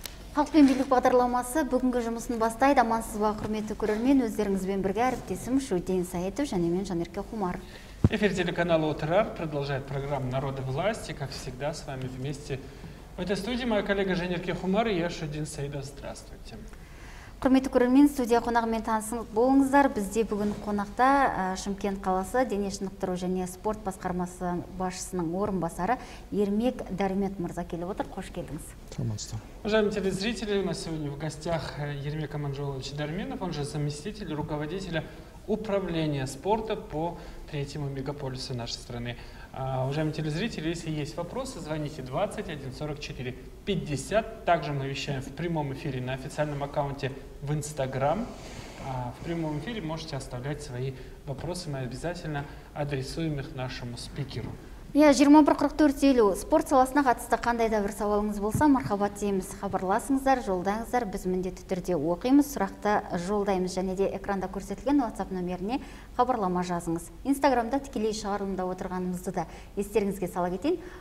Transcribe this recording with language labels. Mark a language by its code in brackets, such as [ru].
[kk] Халқпен билік бағдарламасы бүгінгі жұмысын бастайды. Амансыз ба, құрметті көрермен, өздеріңізбен бірге әріптесім Шудин Саетов және мен Жанерке Хумар. [ru] Эфир телеканала «Отырар» продолжает программу «Народы власти». Как всегда, с вами вместе в этой студии моя коллега Жанерке Хумар и я, Шудин Саетов. Здравствуйте. [kk] Құрметті көрермен, студия қонағымен танысын болыңыздар. Бізде бүгін қонақта Шымкент қаласы дене шынықтыру және спорт басқармасы басшысының орынбасары Ермек Дәрмет мырза келіп отыр. Қош келдіңіз. [ru] Уважаемые телезрители, у нас сегодня в гостях Ермек Аманжолович Дарменов, он же заместитель руководителя управления спорта по третьему мегаполису нашей страны. Уважаемые телезрители, если есть вопросы, звоните 21-44-50. Также мы вещаем в прямом эфире на официальном аккаунте в Instagram. В прямом эфире можете оставлять свои вопросы, мы обязательно адресуем их нашему спикеру. Я 21-44-50. [kk] Спорт саласына қатысты қандай да бір сауалыңыз болса, мархабат дейміз. Хабарласыңыздар, жолдаңыздар, біз міндетті түрде оқимыз, сұрақты жолдаймыз. Және де экранда көрсетілген WhatsApp номеріне хабарлама жазыңыз. Инстаграмда тікелей шығарылымда отырғанымызды да естеріңізге сала кетейін.